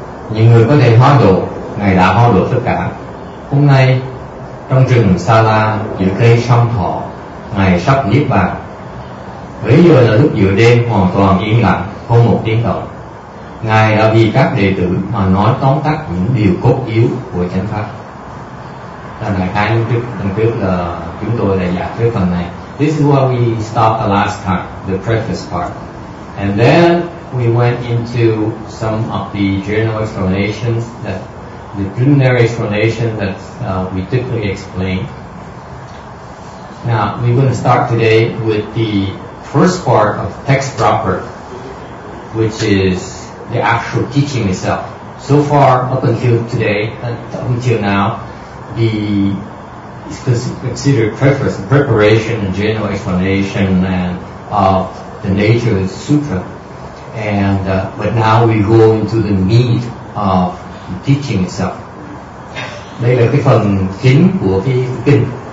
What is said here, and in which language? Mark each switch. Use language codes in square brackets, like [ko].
[vi] Những người có thể hóa độ, Ngài đã hóa độ tất cả. Hôm nay trong rừng Sa La giữa cây song thọ, Ngài sắp niết bàn. Bây giờ là lúc giữa đêm, hoàn toàn yên lặng, không một tiếng động. Ngài đã vì các đệ tử mà nói tóm tắt những điều cốt yếu của chánh pháp. Là ngày 2 tháng trước là chúng tôi đã giảng cái phần này. [en] This is where we stopped the last time, the preface part. And then we went into some of the general explanations, that the preliminary explanation that we typically explain. Now, we're going to start today with the first part of text proper, which is the actual teaching itself. So far, up until today, up until now, the is considered preface, preparation and general explanation and of the nature of the sutra. And but now we go into the meat of the teaching itself. [vi] Đây là cái phần chính của cái kinh.